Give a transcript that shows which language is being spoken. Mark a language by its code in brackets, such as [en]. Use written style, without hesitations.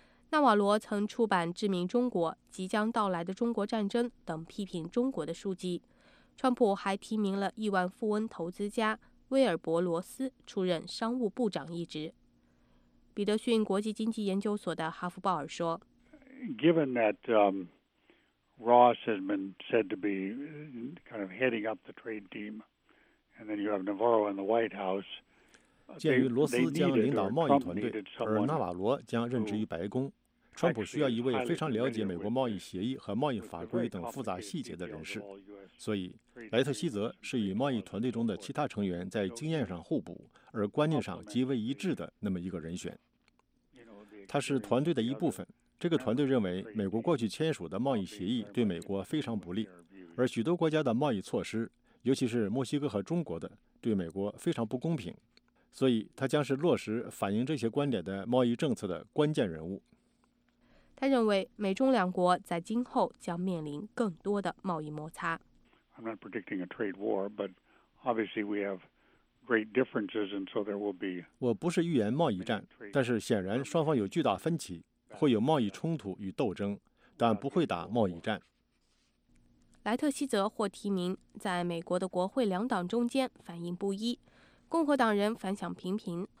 [zh] 纳瓦罗曾出版《致命中国》《即将到来的中国战争》等批评中国的书籍。川普还提名了亿万富翁投资家威尔伯·罗斯出任商务部长一职。彼得逊国际经济研究所的哈夫鲍尔说 [en] ：“Given that Ross has been said to be kind of heading up the trade team, and then you have Navarro in the White House.” [zh] 鉴于罗斯将领导贸易团队，而纳瓦罗将任职于白宫，川普需要一位非常了解美国贸易协议和贸易法规等复杂细节的人士，所以莱特希泽是与贸易团队中的其他成员在经验上互补，而观念上极为一致的那么一个人选。他是团队的一部分，这个团队认为美国过去签署的贸易协议对美国非常不利，而许多国家的贸易措施，尤其是墨西哥和中国的，对美国非常不公平，所以他将是落实反映这些观点的贸易政策的关键人物。他认为美中两国在今后将面临更多的贸易摩擦。 [en] I'm not predicting a trade war, but obviously we have great differences, and so there will be. [zh] 我不是预言贸易战，但是显然双方有巨大分歧，会有贸易冲突与斗争，但不会打贸易战。莱特希泽获提名，在美国的国会两党中间反应不一，共和党人反响频频。